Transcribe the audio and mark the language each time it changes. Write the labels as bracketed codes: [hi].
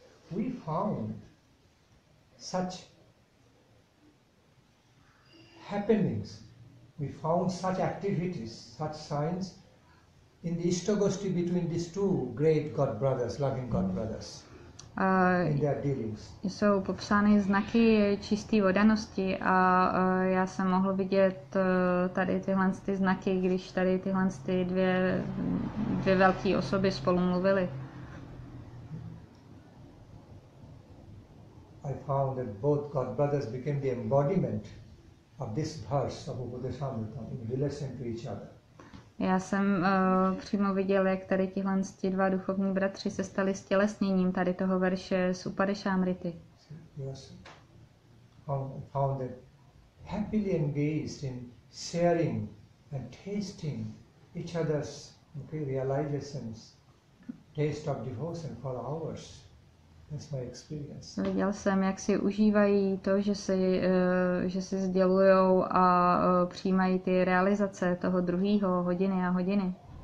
[en] We found such happenings, we found such activities, such signs in the ishtagosti between these two great god brothers, loving god brothers, in their dealings. [cs] Jsou popsány znaky čistý vodanosti a já jsem mohl vidět tady tyhle ty znaky, když tady tyhle ty dvě velké osoby spolu mluvily. [en] I found that both god brothers became the embodiment of this verse of Upadeshamrita in relation to each other. [cs] Já jsem přímo viděl, jak tady tihle dva duchovní bratři se stali stělesněním tady toho verše z Upadeshamrity. [en] Yes. Found that happily engaged in sharing and tasting each other's realizations, taste of devotion for hours. That's my experience. [cs] Viděl jsem, jak si užívají to, že si sdělujou a přijímají ty realizace toho druhého hodiny a hodiny.